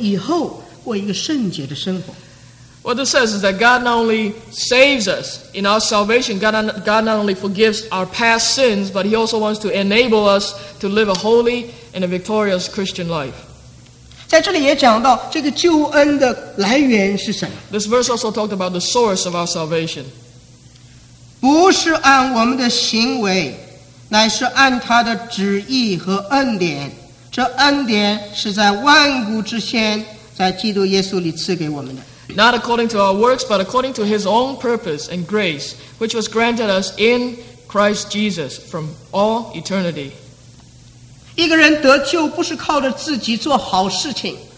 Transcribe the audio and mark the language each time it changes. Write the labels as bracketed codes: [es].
[zh] 神对我们的救恩不单单是包括我们以往的罪恶得到赦免，神也要帮助我们以后过一个圣洁的生活。 [en] What this says is that God not only saves us in our salvation, God not only forgives our past sins, but He also wants to enable us to live a holy and a victorious Christian life. [zh] 在这里也讲到这个救恩的来源是什么? [en] This verse also talked about the source of our salvation. [zh] 不是按我们的行为，乃是按他的旨意和恩典。这恩典是在万古之前，在基督耶稣里赐给我们的。 [en] Not according to our works, but according to His own purpose and grace, which was granted us in Christ Jesus from all eternity. [zh] 一个人得救不是靠着自己做好事情。